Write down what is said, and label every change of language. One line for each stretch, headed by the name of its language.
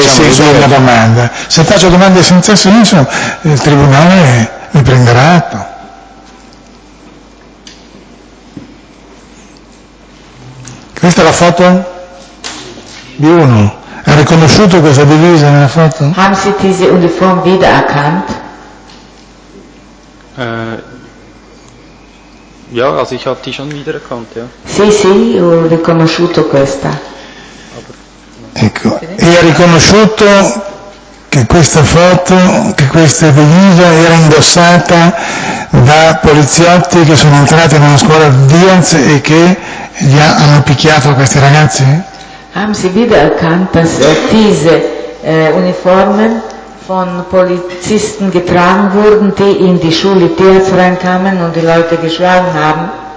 Italian: Sì, la domanda. Se faccio domande senza senso, il tribunale mi prenderà atto. Questa è la foto di uno. Ha riconosciuto questa divisa nella foto?
German: Haben Sie diese Uniform wiedererkannt? Ja, also ich habe die schon wiedererkannt, ja.
Italian: Sì, sì, ho riconosciuto questa. Ecco, e ha riconosciuto che questa foto, che questa divisa era indossata da poliziotti che sono entrati nella scuola Diaz e che gli hanno picchiato questi ragazzi?
German: Haben Sie wiedererkannt, dass diese Uniformen von Polizisten getragen wurden, die in die Schule Diaz reinkamen und die Leute geschlagen haben?